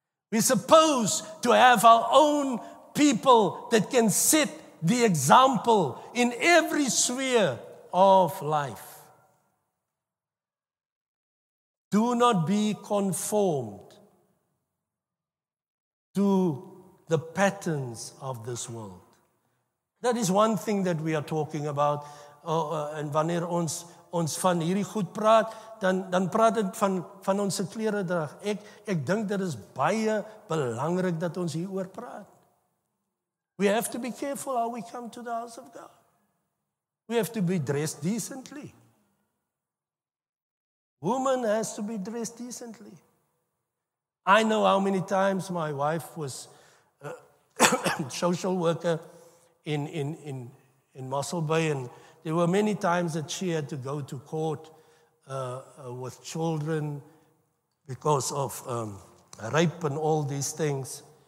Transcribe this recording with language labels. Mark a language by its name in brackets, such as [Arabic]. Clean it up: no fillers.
[English] We're supposed to have our own people that can sit the example in every sphere of life. Do not be conformed to the patterns of this world. That is one thing that we are talking about. [Afrikaans] En wanneer ons van hierdie goed praat, dan praat het van ons klere drag. Ek dink dat is baie belangrik dat ons hieroor praat. [English] We have to be careful how we come to the house of God. We have to be dressed decently. Woman has to be dressed decently. I know how many times my wife was a social worker in Mossel Bay, and there were many times that she had to go to court with children because of rape and all these things.